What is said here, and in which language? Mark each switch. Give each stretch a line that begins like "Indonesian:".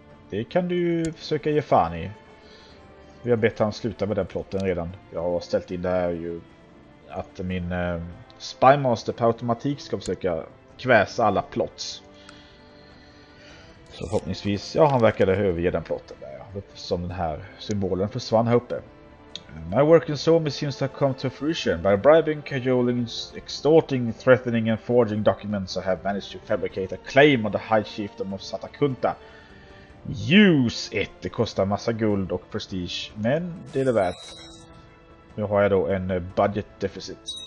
Swedish: Det kan du försöka ge fan i. Vi har bett han sluta med den plotten redan. Jag har ställt in det här ju. Att min Spymaster per automatik ska försöka kväsa alla plots. Så förhoppningsvis, ja, han verkade överge den plotten där, ja, som den här symbolen försvann här uppe.
English: My work in Somi seems to have come to fruition. By bribing, cajoling, extorting, threatening and forging documents, I have managed to fabricate a claim on the high chiefdom of Sata Kunta. Use it!
Swedish: Det kostar massa guld och prestige, men det är det värt. Nu har jag då en budget deficit.